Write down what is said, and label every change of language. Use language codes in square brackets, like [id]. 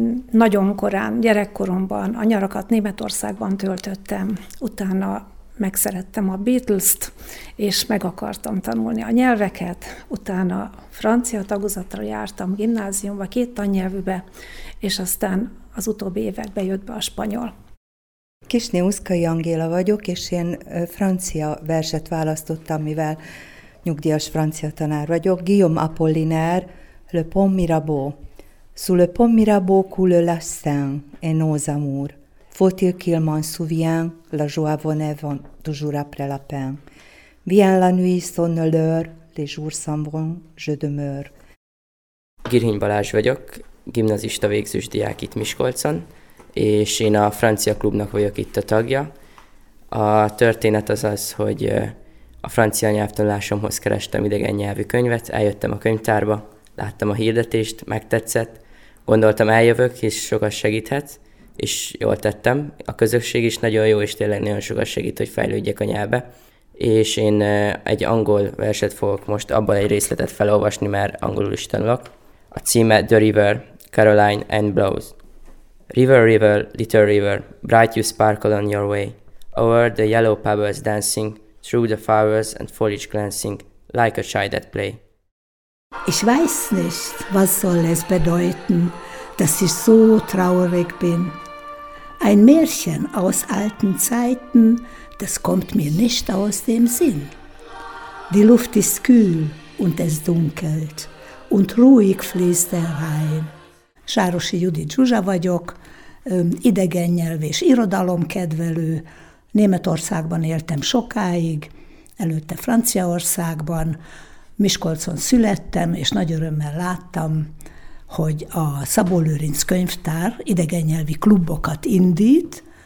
[hu] Nagyon korán, gyerekkoromban, a nyarakat Németországban töltöttem, utána megszerettem a Beatles-t, és meg akartam tanulni a nyelveket, utána francia tagozatra jártam gimnáziumba, 2 tannyelvűbe, és aztán az utóbbi években jött be a spanyol. Kisné Uszkai Angéla vagyok, és én francia verset választottam, mivel nyugdíjas francia tanár vagyok. [fr] Guillaume Apollinaire, Le Pont Mirabeau. Sous le Pont Mirabeau coule la Seine et nos amours. Faut-il qu'il m'en souvient, la joie venève toujours après la peine. Vient la nuit, sonne l'heure, les jours s'en vont, je demeure. [hu] Girhény Balázs vagyok, gimnazista végzős diák itt Miskolcon, és én a francia klubnak vagyok itt a tagja. A történet az, hogy a francia nyelvtanulásomhoz kerestem idegen nyelvű könyvet, eljöttem a könyvtárba, láttam a hirdetést, megtetszett, gondoltam eljövök, és sokat segíthet, és jól tettem. A közösség is nagyon jó, és tényleg nagyon sokat segít, hogy fejlődjek a nyelvbe. És én egy angol verset fogok most abban egy részletet felolvasni, mert angolul is tanulok. A címe The River, Caroline and Blows. [en] River, river, little river, bright you sparkle on your way. Over the yellow pebbles dancing, through the flowers and foliage glancing, like a child at play. [de] Ich weiß nicht, was soll es bedeuten, dass ich so traurig bin. Ein Märchen aus alten Zeiten, das kommt mir nicht aus dem Sinn. Die Luft ist kühl und es dunkelt und ruhig fließt der Rhein. [hu] Sárosi Judit Zsuzsa vagyok, idegen nyelv és irodalom kedvelő. Németországban éltem sokáig, előtte Franciaországban. Miskolcon születtem, és nagy örömmel láttam, hogy a Szabó Lőrinc könyvtár idegen nyelvi klubokat indít.